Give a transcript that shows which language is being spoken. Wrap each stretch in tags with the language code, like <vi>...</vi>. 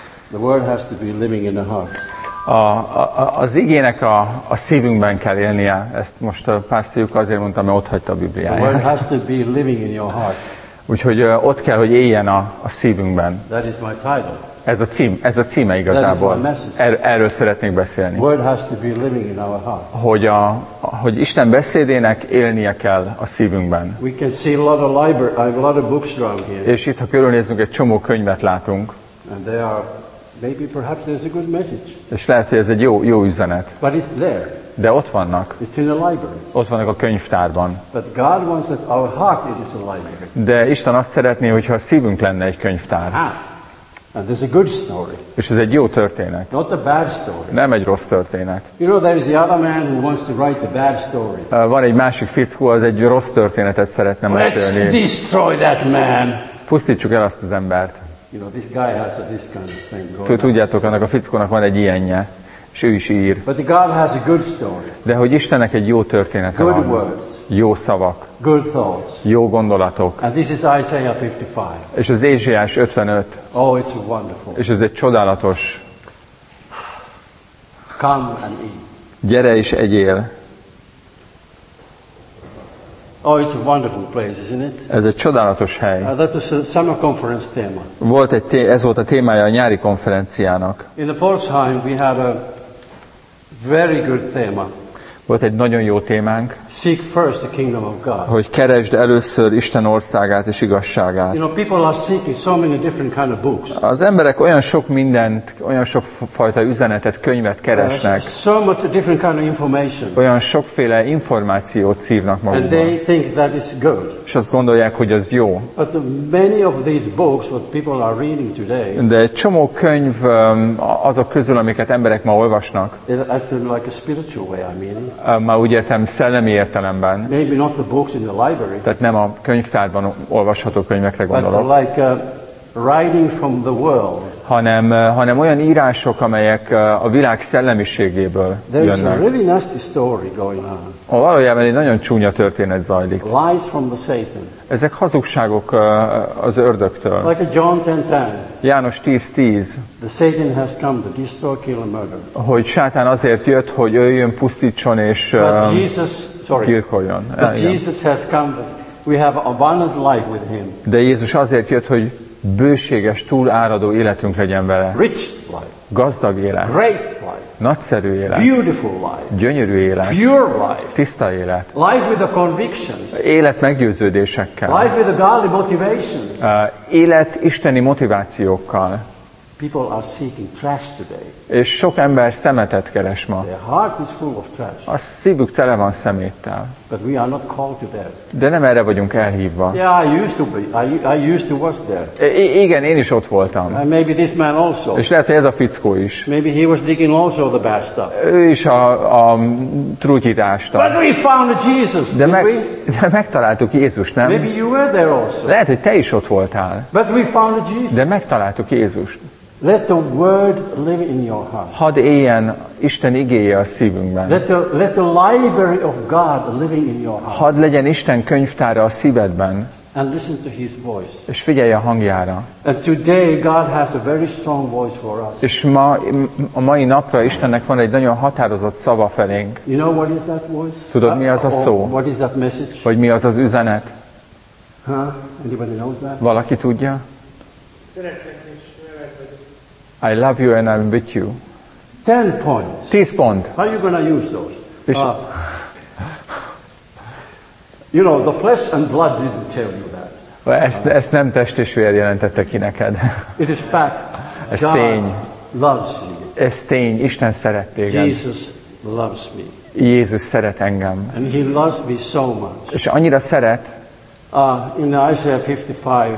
<en>The word has to be living in the heart.</en> <hu>Az igének a szívünkben kell élnie. Ezt most pásztorjuk azért mondta, mert ott hagyta a Bibliáját.</hu> <en>The word has to be living in your heart.</en> <hu>Úgyhogy ott kell, hogy éljen a szívünkben.</hu> <en>That is my title.</en> <hu>Ez a címe igazából. Erről szeretnék beszélni.</hu> <en>Word has to be living in our heart.</en> <hu>Hogy Isten beszédének élnie kell a szívünkben.</hu> <en>We can see a lot of library, a lot of books around here.</en> <hu>És itt, ha körülnézünk, egy csomó könyvet látunk.</hu> <en>And they are, maybe perhaps there's a good message.</en> <hu>És lehet, hogy ez egy jó üzenet.</hu> <en>But it's there.</en> <hu>De ott vannak.</hu> <en>It's in the library.</en> <hu>Ott vannak a könyvtárban.</hu> <en>But God wants that our heart is a library.</en> <hu>De Isten azt szeretné, hogyha a szívünk lenne egy könyvtár.</hu> <en>Aha. And there's a good story.</en> <hu>És ez egy jó történet.</hu> <en>Not a bad story.</en> <hu>Nem egy rossz történet.</hu> <en>You know, there is the other man who wants to write the bad story.</en> <hu>Van egy másik fickó, az egy rossz történetet szeretne mesélni.</hu> <en>Let's destroy that man.</en> <hu>Pusztítsuk el azt az embert.</hu> <en>You know, this guy has this kind of thing going on.</en> <hu>Tudjátok, annak a fickónak van egy ilyenje, és ő is ír.</hu> <en>But God has a good story.</en> <hu>De hogy Istennek egy jó története</hu> <en>good</en> <hu>van.</hu> <en>Good words.</en> <hu>Jó szavak.</hu> <en>Good thoughts.</en> <hu>Jó gondolatok.</hu> <en>And this is Isaiah 55.</en> <hu>És az Ézsaiás 55.</hu> <en>Oh, it's wonderful.</en> <hu>És ez egy csodálatos.</hu> <en>Come and eat.</en> <hu>Gyere és egyél.</hu> <en>Oh, it's a wonderful place, isn't it?</en> <hu>Ez egy csodálatos hely.</hu> <en>That was a summer conference theme.</en> <hu>Ez volt a témája a nyári konferenciának.</hu> <en>In the Pforzheim we had a very good theme.</en> <hu>Volt egy nagyon jó témánk.</hu> <en>Seek first the kingdom of God.</en> <hu>Hogy keresd először Isten országát és igazságát.</hu> <en>You know, people are seeking so many different kind of books.</en> <hu>Az emberek olyan sok mindent, olyan sok fajta üzenetet, könyvet keresnek.</hu> <en>So much different kind of information.</en> <hu>Olyan sokféle információt szívnak magukban.</hu> <en>And they think that is good.</en> <hu>És azt gondolják, hogy az jó.</hu> <en>But many of these books, what people are reading today.</en> <hu>De egy csomó könyv azok közül, amiket emberek ma olvasnak.</hu> <en>Like a spiritual way, I mean.</en> <hu>Már úgy értem, szellemi értelemben.</hu> <en>Maybe not the books in the library.</en> <hu>Tehát nem a könyvtárban olvasható könyvekre gondolok.</hu> <en>But like writing from the world.</en> <hu>Hanem olyan írások, amelyek a világ szellemiségéből</hu> <en>there</en> <hu>jönnek.</hu> <en>There is a really nasty story going on.</en> <hu>Valójában egy nagyon csúnya történet zajlik.</hu> <en>Lies from the Satan.</en> <hu>Ezek hazugságok az ördögtől.</hu> <en>Like a John 10:10.</en> <hu>János 10:10.</hu> <en>The Satan has come to destroy, kill and murder.</en> <hu>Hogy Sátán azért jött, hogy ő jön, pusztítson és gyilkoljon.</hu> <en>But Jesus has come that we have abundant life with him.</en> <hu>De Jézus azért jött, hogy bőséges, túláradó életünk legyen vele.</hu> <en>Rich life.</en> <hu>Gazdag élet.</hu> <en>Great life.</en> <hu>Nagyszerű élet.</hu> <en>Beautiful life.</en> <hu>Gyönyörű élet.</hu> <en>Pure life.</en> <hu>Tiszta élet.</hu> <en>Life with a conviction.</en> <hu>Élet meggyőződésekkel.</hu> <en>Life with a godly motivation.</en> <hu>Élet isteni motivációkkal.</hu> <en>People are seeking trash today.</en> <hu>És sok ember szemetet keres ma.</hu> <en>Their heart is full of trash.</en> <hu>A szívük tele van szeméttel.</hu> <en>But we are not called to that.</en> <hu>De nem erre vagyunk elhívva.</hu> <en>Yeah, I used to be. I used to was there.</en> <hu>Igen, én is ott voltam.</hu> <en>And maybe this man also.</en> <hu>És lehet, ez a fickó is.</hu> <en>Maybe he was digging also the bad stuff.</en> <hu>Ő is a trutyitást.</hu> <en>But we found Jesus.</en> <hu>De megtaláltuk Jézust, nem?</hu> <en>Maybe you were there also.</en> <hu>Lehet, hogy te is ott voltál.</hu> <en>But we found Jesus.</en> <hu>De megtaláltuk Jézust.</hu> <en>Let the word live in your heart.</en> <hu>Hadd éljen Isten igéje a szívünkben.</hu> <en>Let the library of God living in your heart.</en> <hu>Hadd legyen Isten könyvtára a szívedben.</hu> <en>And listen to his voice.</en> <hu>És figyelj a hangjára.</hu> <en>And today God has a very strong voice for us.</en> <hu>És a mai napra Istennek van egy nagyon határozott szava felénk.</hu> <en>You know what is that voice?</en> <hu>Tudod, mi az a szó?</hu> <en>What is that message?</en> <hu>Vagy mi az az üzenet?</hu> <en>Huh? Anybody knows that?</en> <hu>Valaki tudja? Szeretlek.</hu> <en>I love you and I'm with you. 10 points.</en> <hu>10 pont.</hu> <en>How are you going to use those? You know, the flesh and blood didn't tell you that.</en> <hu>Ezt nem test és vér jelentette ki neked.</hu> <en>It is fact.</en> <hu>Ez tény.</hu> <en>God loves me.</en> <hu>Ez tény. Isten szeret téged.</hu> <en>Jesus loves me.</en> <hu>Jézus szeret engem.</hu> <en>And he loves me so much.</en> <hu>És annyira szeret.</hu> <en>In Isaiah 55.</en>